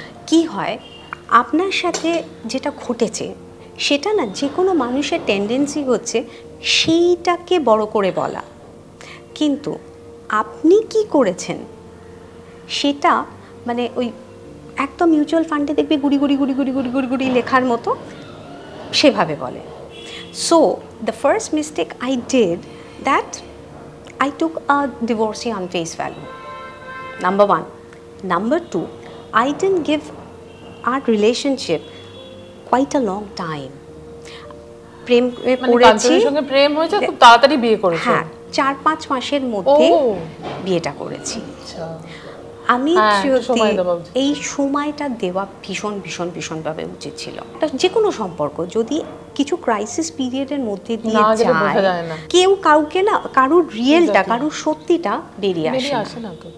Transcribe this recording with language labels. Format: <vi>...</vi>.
<bn>কি হয়, আপনার সাথে যেটা ঘটেছে সেটা না যে কোনো মানুষের টেন্ডেন্সি হচ্ছে সেইটাকে বড় করে বলা, কিন্তু আপনি কি করেছেন সেটা মানে ওই একদম মিউচুয়াল ফান্ডে দেখবে গুড়ি গুড়ি গুড়ি গুড়ি গুড়ি গুড়ি গুড়ি লেখার মতো সেভাবে বলে।</bn> <en>So the first mistake I did that I took a divorcee on face value. Number one. Number two, I didn't give our relationship quite a long time.</en> <bn>প্রেম করেছি সঙ্গে প্রেম হয়েছে খুব তাড়াতাড়ি বিয়ে করেছি হ্যাঁ 4-5 মাসের মধ্যে বিয়েটা করেছি আমি এই সময়টা দেওয়া ভীষণ ভীষণ ভীষণ ভাবে উচিত ছিল যে কোনো সম্পর্ক যদি কিছু ক্রাইসিস পিরিয়ডের মধ্যে দিয়ে যায় কেউ কাউকে না কারোর রিয়েলটা কারোর সত্যিটা বেরিয়ে আসে না</bn>